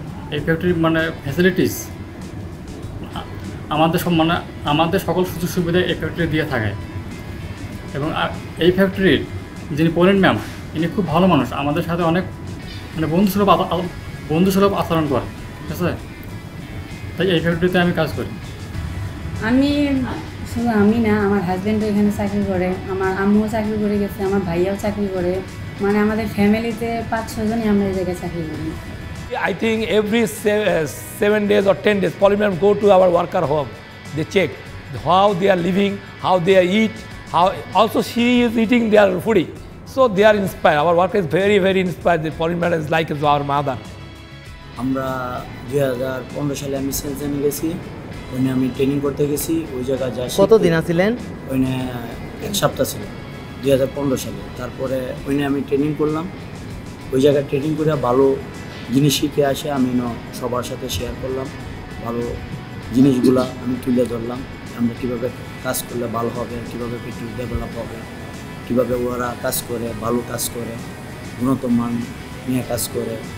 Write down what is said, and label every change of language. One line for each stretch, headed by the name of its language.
English: A factory
Chinese: 我们的
Bangla: facilities， 我们的 factory 的 A factory যিনি pollen ma'am, ইনি খুব ভালো মানুষ, আমাদের সাথে অনেক মানে বন্ধুসুলভ আচরণ করে, ঠিক আছে? তাই এই ফ্যাক্টরিতে আমি কাজ করি। আমি শুধু আমি না, আমার হাজবেন্ডও এখানে চাকরি করে, আমার আম্মুও চাকরি করে গেছে, আমার ভাইয়াও চাকরি করে, মানে আমাদের ফ্যামিলিতে পাঁচ ছয় জনই আমরা এই জায়গায় চাকরি করি।
English: I think every 7 days or 10 days, পলিম্যাম go to our worker home, they check how they are living, how they eat. How also she is eating their foodie, so they are inspired. Our work is very, very inspired. The foreign man is like as our mother.
Bangla: Amra 2015 সালে আমি সেন্সেন গেছি, ওইনে আমি training করতে গেছি, ওই জায়গা যাচ্ছি। কত দিন আছিলেন? ওইনে এক সপ্তাহ ছিল 2015 সালে তারপরে ওইখানে আমি ট্রেনিং করলাম ওই জায়গায় ট্রেনিং করে ভালো জিনিস শিখে আসে আমি সবার সাথে শেয়ার করলাম ভালো জিনিসগুলো আমি তুলে ধরলাম আমরা কীভাবে কাজ করলে ভালো হবে কীভাবে পিটি ডেভেলপ হবে কীভাবে ওরা কাজ করে ভালো কাজ করে উন্নত মান নিয়ে কাজ করে